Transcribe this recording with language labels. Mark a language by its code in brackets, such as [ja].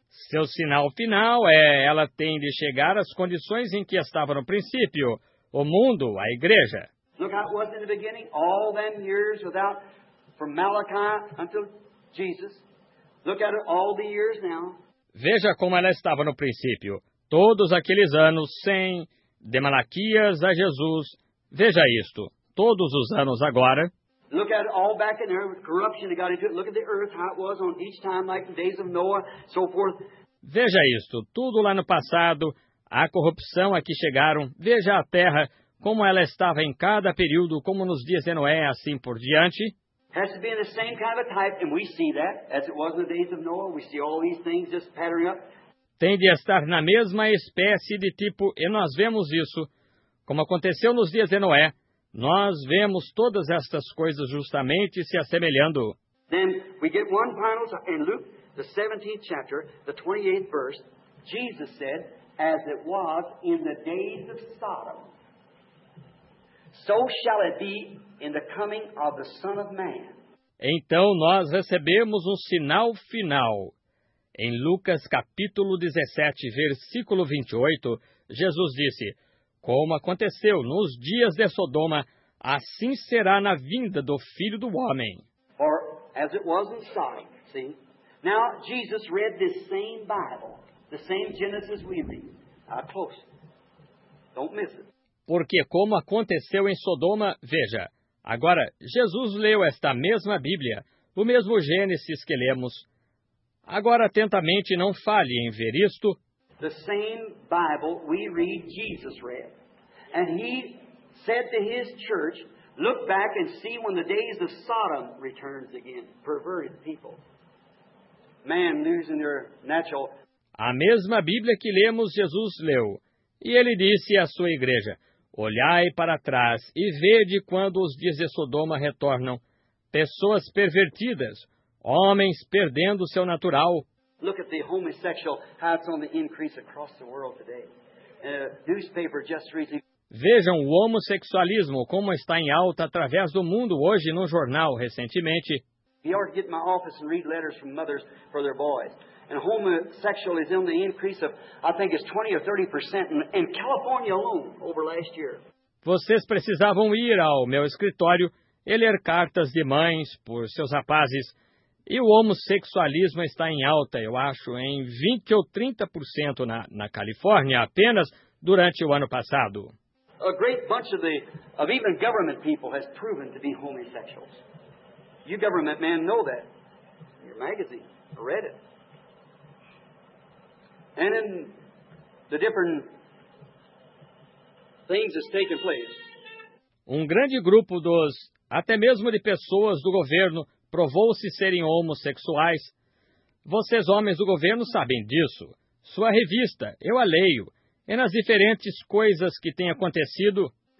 [pt] Seu sinal final é ela tem de chegar às condições em que estava no princípio, o mundo, a igreja. [en] Look how it was in the beginning, all them years without, from Malachi until Jesus. Look at it all the years now. [pt] Veja como ela estava no princípio. Todos aqueles anos sem, de Malaquias a Jesus, veja isto, todos os anos agora. [en] Look at it all back in there, corruption that got into it. Look at the earth, how it was on each time, like the days of Noah, so forth. [pt] Veja isto, tudo lá no passado, a corrupção a que chegaram, veja a terra, como ela estava em cada período, como nos dias de Noé, assim por diante. [en] Has to be in the same kind of a type, and we see that, as it was in the days of Noah, we see all these things just pattering up. [pt] Tem de estar na mesma espécie de tipo, e nós vemos isso, como aconteceu nos dias de Noé. Nós vemos todas estas coisas justamente se assemelhando. [en] Then we get one final in Luke, the 17th chapter, the 28th verse, Jesus said, as it was in the days of Sodom, so shall it be in the coming of the Son of Man. [pt] Então nós recebemos um sinal final. Em Lucas, capítulo 17, versículo 28, Jesus disse, como aconteceu nos dias de Sodoma, assim será na vinda do Filho do Homem. [en] Or, as it was in Sodom, see? Now, Jesus read this same Bible, the same Genesis we read. Close. Don't miss it. [pt] Porque como aconteceu em Sodoma, veja, agora, Jesus leu esta mesma Bíblia, o mesmo Gênesis que lemos. Agora, atentamente, não fale em ver isto. [en] The same Bible we read, Jesus read. And he said to his church, look back and see when the days of Sodom returns again. Perverted people. Man losing their natural... [pt] A mesma Bíblia que lemos, Jesus leu. E ele disse à sua igreja, olhai para trás e vede quando os dias de Sodoma retornam. Pessoas pervertidas... Homens perdendo seu natural. [en] Look at the homosexual, how it's on the increase across the world today. Newspaper just recently. [pt] Vejam o homossexualismo como está em alta através do mundo hoje no jornal recentemente. [en] You ought to get in my office and read letters from mothers for their boys. And homosexual is on the increase of, I think it's 20 or 30% in California alone over last year. [pt] Vocês precisavam ir ao meu escritório e ler cartas de mães por seus rapazes. E o homossexualismo está em alta, eu acho, em 20 ou 30% na Califórnia, apenas durante o ano passado. [en] A great bunch of even government people has proven to be homosexuals. You government men know that. In your magazine, I read it. And in the different things that's taken place. [pt] Um grande grupo dos, até mesmo de pessoas do governo, provou-se serem homossexuais. Vocês, homens do governo, sabem disso. Sua revista, eu a leio. E nas diferentes coisas que têm acontecido...